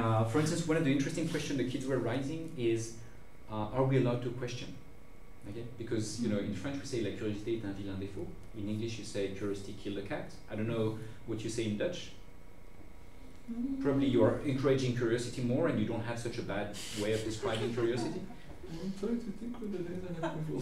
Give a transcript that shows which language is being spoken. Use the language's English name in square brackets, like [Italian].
[English] For instance, one of the interesting questions the kids were raising is, are we allowed to question? Okay? Because, you know, in French we say [French] la curiosité est un vilain défaut. [English] In English you say curiosity killed the cat. I don't know what you say in Dutch. Mm. Probably you are encouraging curiosity more and you don't have such a bad way of describing curiosity. I'm trying to think with the name that I have.